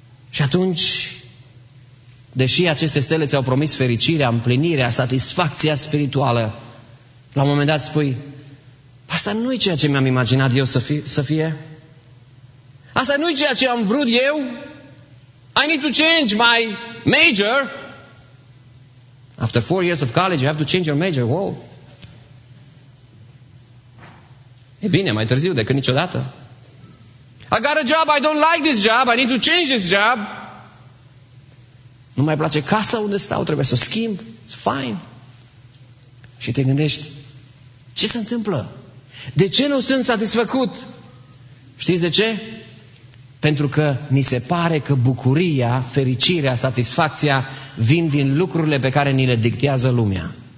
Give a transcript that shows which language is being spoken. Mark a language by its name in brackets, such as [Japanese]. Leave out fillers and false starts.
[Romanian] Și atunci, deși aceste stele ți-au promis fericirea, împlinirea, satisfacția spirituală, la un moment dat spui, asta nu e ceea ce mi-am imaginat eu să fie. Asta nu e ceea ce am vrut eu. [English] I need to change my major. After 4 years of college, you have to change your major. Wow. [Romanian] E bine, mai târziu decât niciodată. [English] I got a job, I don't like this job, I need to change this job. [Romanian] Nu mai place casa unde stau, trebuie să o schimb. [English] It's fine. [Romanian] Și te gândești, ce se întâmplă? De ce nu sunt satisfăcut? Știți de ce? Pentru că ni se pare că bucuria, fericirea, satisfacția vin din lucrurile pe care ni le dictează lumea.